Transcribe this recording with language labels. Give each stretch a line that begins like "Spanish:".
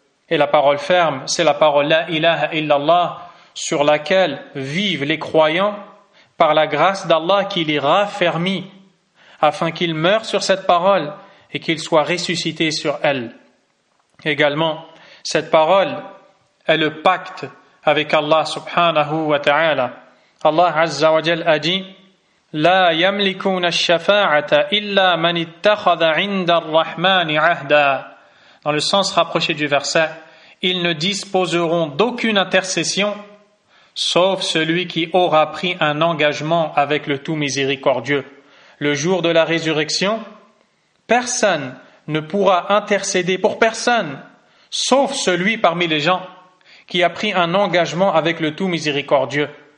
French: Et la parole ferme, c'est la parole «
Arabic: La ilaha illallah
French: » sur laquelle vivent les croyants par la grâce d'Allah qui les raffermit, afin qu'ils meurent sur cette parole et qu'ils soient ressuscités sur elle. Également, cette parole est le pacte avec Allah subhanahu wa ta'ala. Allah azza wa jal a dit,
Arabic: لا يملكون الشفاعة إلا من اتخذ عند الرحمن عهدا.
French: Dans le sens rapproché du verset, ils ne disposeront d'aucune intercession sauf celui qui aura pris un engagement avec le Tout Miséricordieux. Le jour de la résurrection, personne ne pourra intercéder pour personne sauf celui parmi les gens qui a pris un engagement avec le Tout Miséricordieux.